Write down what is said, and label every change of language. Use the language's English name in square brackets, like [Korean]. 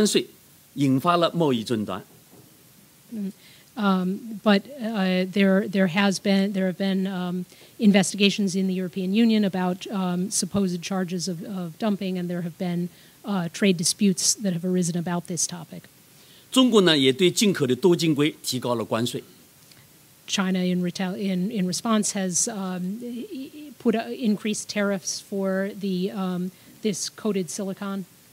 [Chinese] 但是由于欧盟和美国对中国太阳能电池进行双方调查，提高关税，引发了贸易争端。 [English] But there have been investigations in the European Union about supposed charges of dumping, and there have been trade disputes that have arisen about this topic. [Chinese] 中国呢也对进口的多晶硅提高了关税。 [English] China in response has increased tariffs for the this coated silicon.